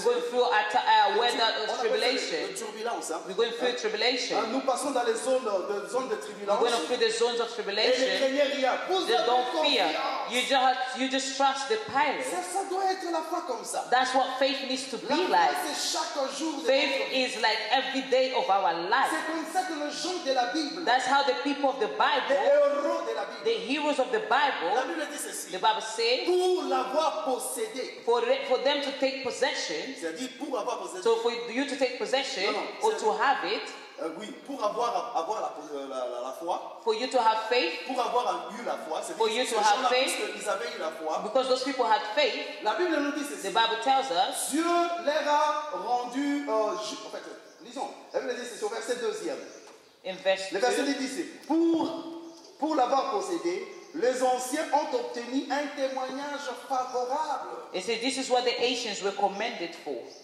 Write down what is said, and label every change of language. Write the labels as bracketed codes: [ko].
[en] We're going through weather of tribulation. We're going through tribulation. [fr] Nous passons dans les zones de tribulation. [en] We're going through the zones of tribulation. Ne don't fear. You just trust the pilot. [fr] Ça doit être la foi comme ça. [en] That's what faith needs to be like. Faith is like every day of our life. [fr] C'est comme ça que le jour de la Bible. [en] That's how the people of the Bible, [fr] les héros de la Bible, [en] the heroes of the Bible, [fr] la Bible dit ceci, [en] the Bible says, [fr] pour l'avoir possédé, [en] for them to take possession, [fr] c'est-à-dire pour avoir possédé, [en] so for you to take possession [fr] non, [en] or to have it, [fr] oui, pour avoir la foi. [en] For you to have faith. [fr] Pour avoir eu la foi. C'est [en] for you to have faith. [fr] Parce qu'ils avaient eu la foi. [en] Because those people had faith. [fr] La Bible nous dit ceci. [en] The Bible tells us. [fr] Dieu les a rendus. En fait, lisons. La Bible dit ceci au verset verset deuxième. [en] In verse [fr] le verset dit ici, pour l'avoir possédé, les anciens ont obtenu un témoignage favorable. [en] It says this is what the ancients were commended for.